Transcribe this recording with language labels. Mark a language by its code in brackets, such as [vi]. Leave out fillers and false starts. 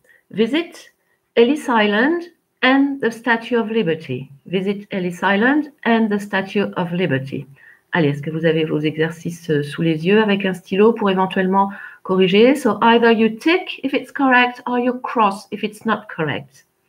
[en] Visit Ellis Island and the Statue of Liberty. Visit Ellis Island and the Statue of Liberty. [fr] Allez, est-ce que vous avez vos exercices sous les yeux avec un stylo pour éventuellement corriger? [en] So either you tick if it's correct or you cross if it's not correct.